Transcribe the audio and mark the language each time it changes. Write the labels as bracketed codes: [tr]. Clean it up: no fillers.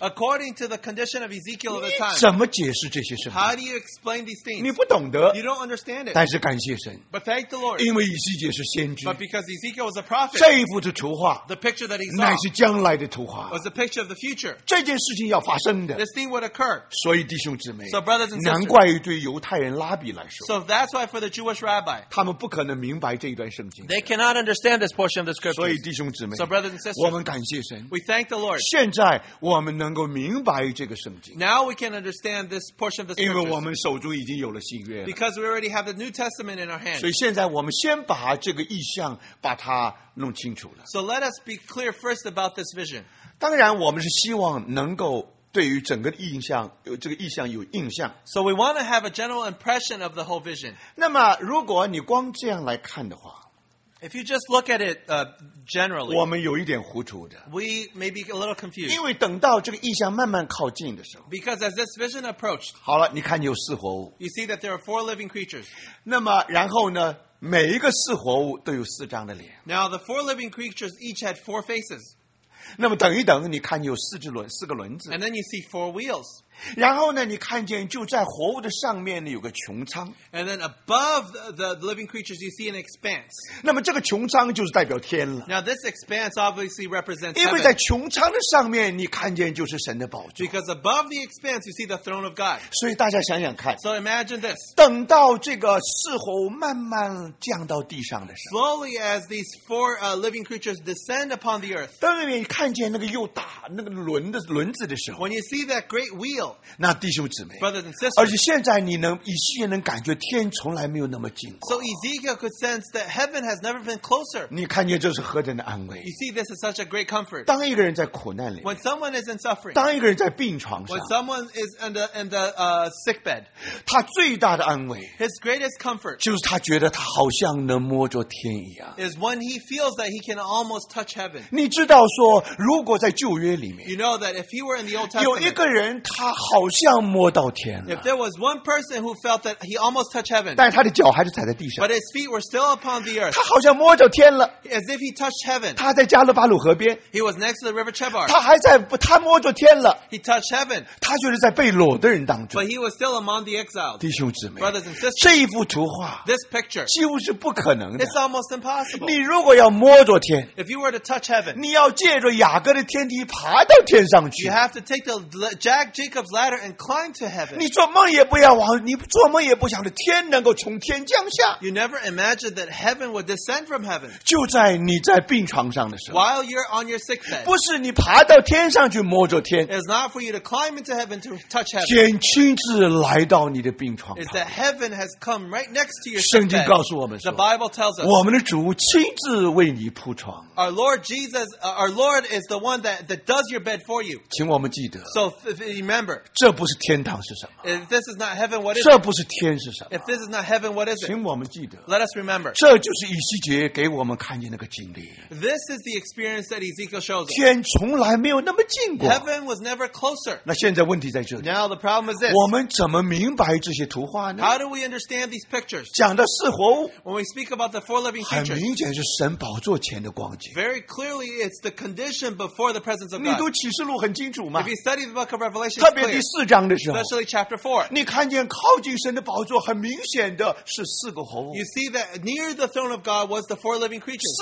[en] According to the condition of Ezekiel of the time. [zh] 你怎么解释这些事 [en] How do you explain these things? [zh] 你不懂得 [en] You don't understand it. [zh] 但是感谢神 [en] But thank the Lord. [zh] 因为以西结是先知 [en] Because Ezekiel was a prophet. [zh] 这一幅的图画 [en] The picture that he saw. [zh] 乃是将来的图画 [en] Was the picture of the future. [zh] 这件事情要发生的 [en] This thing would occur. [zh] 所以弟兄姊妹 [en] So brothers and [zh] sisters. 难怪对犹太人拉比来说 [en] So that's why for the Jewish rabbi. [zh] 他们不可能明白这一段圣经 [en] They cannot understand this portion of the scriptures. [zh] 所以弟兄姊妹 [en] So brothers and sisters. [zh] 我们感谢神 [en] We thank the Lord. [zh] 现在我们能够明白这个圣经 [en] Now we can understand this portion of the scriptures. [zh] 因为我们手中已经有了新约了 [en] Because we already have the New Testament in our hands. [zh] 所以现在我们先把这个意象把它弄清楚了。 [en] So let us be clear first about this vision. [zh] 当然，我们是希望能够对于整个印象，这个意象有印象。 [en] So we want to have a general impression of the whole vision. [zh] 那么，如果你光这样来看的话 [en] ，If you just look at it generally, [zh] 我们有一点糊涂的。 [en] We may be a little confused. [zh] 因为等到这个意象慢慢靠近的时候 [en] ，Because as this vision approached, [zh] 好了，你看有四活物。 [en] You see that there are four living creatures. [zh] 那么，然后呢？每一个四活物都有四张的脸。 [en] Now the four living creatures each had four faces. [zh] 那么等一等，你看有四只轮，四个轮子。 [en] And then you see four wheels. [zh] 然后呢，你看见就在活物的上面呢有个穹苍。 [en] And then above the living creatures, you see an expanse. [zh] 那么这个穹苍就是代表天了。 [en] Now this expanse obviously represents. [zh] 因为在穹苍的上面，你看见就是神的宝座。 [en] Because above the expanse, you see the throne of God. [zh] 所以大家想想看。 [en] So imagine this. [zh] 等到这个四活物慢慢降到地上的时候。 [en] Slowly as these four living creatures descend upon the earth. [zh] 等你看。看见那个又大那个轮的轮子的时候 [en] When you see that great wheel, [zh] 那弟兄姊妹 [en] Brothers and sisters, [zh] 而且现在你能以西结能感觉天从来没有那么近过 [en] So Ezekiel could sense that heaven has never been closer [zh] 你看见这是何等的安慰 [en] You see this is such a great comfort [zh] 当一个人在苦难里面 [en] When someone is in suffering [zh] 当一个人在病床上 [en] When someone is in the sick bed [zh] 他最大的安慰 [en] His greatest comfort [zh] 就是他觉得他好像能摸着天一样 [en] Is when he feels that he can almost touch heaven [zh] 你知道说如果在旧约里面 [en] you know that if he were in the Old Testament, [zh] 有一个人他好像摸到天了 [en] if there was one person who felt that he almost touched heaven, [zh] 但他的脚还是踩在地上 [en] but his feet were still upon the earth, [zh] 他好像摸到天了 [en] as if he touched heaven, [zh] 他在加勒巴鲁河边 [en] he was next to the river Chebar, [zh] 他还在他摸到天了 [en] he touched heaven, [zh] 他就是在被掳的人当中 [en] but he was still among the exiles, [zh] 弟兄姊妹 [en] brothers and sisters, [zh] 这一幅图画 [en] this picture, [zh] 几乎是不可能的 [en] it's almost impossible, [zh] 你如果要摸到天 [en] if you were to touch heaven, [zh] 你要借着雅各的天梯爬到天上去 [en] You have to take the Jacob's ladder and climb to heaven [zh] 你做梦也不要往你做梦也不想着天能够从天降下 [en] You never imagined that heaven would descend from heaven [zh] 就在你在病床上的时候 [en] While you're on your sick bed [zh] 不是你爬到天上去摸着天 [en] It's not for you to climb into heaven to touch heaven [zh] 天亲自来到你的病床 [en] It's that heaven has come right next to your sick bed [zh] 圣经告诉我们说 [en] The Bible tells us [zh] 我们的主亲自为你铺床 [en] Our Lord Jesus our Lord is the one that does your bed for you. [zh] 请我们记得。 [en] So remember. [zh] 这不是天堂是什么。 [en] If this is not heaven, what is it? [zh] 这不是天是什么。 [en] If this is not heaven, what is it? [zh] 请我们记得。 [en] Let us remember. [zh] 这就是以西结给我们看见那个经历。 [en] This is the experience that Ezekiel shows us. [zh] 天从来没有那么近过。 [en] Heaven was never closer. [zh] 那现在问题在这里。 [en] Now the problem is this. [zh] 我们怎么明白这些图画呢? [en] How do we understand these pictures? [zh] 讲的四活物。 [en] When we speak about the four living creatures. [zh] 很明显是神宝座前的光景。 [en] Very clearly, it's the condition before the presence of God. [zh] 你读启示录很清楚吗? [en] If you study the book of Revelation, [zh] 特别第四章的时候, [en] especially chapter 4, [zh] 你看见靠近神的宝座很明显的是四个活物。 [en] You see that near the throne of God was the four living creatures.